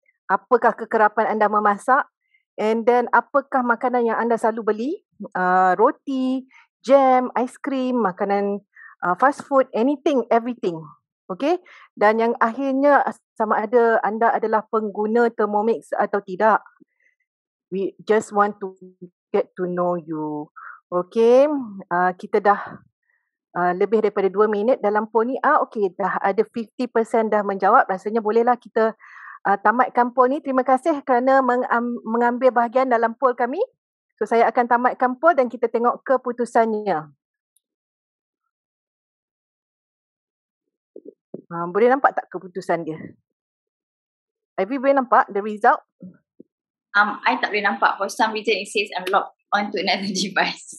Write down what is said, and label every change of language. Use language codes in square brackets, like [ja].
[ms] Apakah kekerapan anda memasak? [en] And then [ms] apakah makanan yang anda selalu beli? Roti, jam, aiskrim, makanan [en] fast food, anything, everything. Okay? [ms] Dan yang akhirnya, sama ada anda adalah pengguna Thermomix atau tidak. [en] We just want to get to know you. Okay? [ms] Kita dah lebih daripada 2 minit dalam poll ni. Okay, dah ada 50% dah menjawab. Rasanya bolehlah kita tamatkan poll ni. Terima kasih kerana mengambil bahagian dalam poll kami. So saya akan tamatkan poll dan kita tengok keputusannya. Boleh nampak tak keputusan dia? Ivy boleh nampak [en] the result? [ms] I tak boleh nampak. [en] For some reason it says I'm locked onto another device.